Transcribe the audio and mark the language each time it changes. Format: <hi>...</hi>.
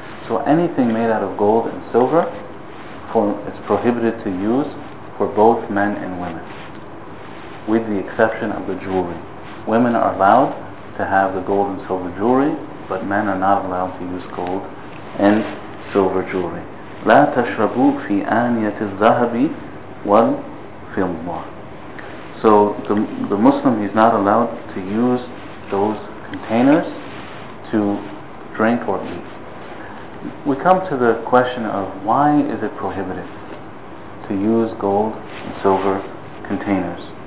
<en>So anything made out of gold and silver is prohibited to use for both men and women, with the exception of the jewelry. Women are allowed to have the gold and silver jewelry, but men are not allowed to use gold and silver jewelry.</en> <ar>لا تشربوا في آنية الذهب والفضة.</ar> <en>So the Muslim, he's not allowed to use those containers to drink or eat. We come to the question of why is it prohibited to use gold and silver containers?</en>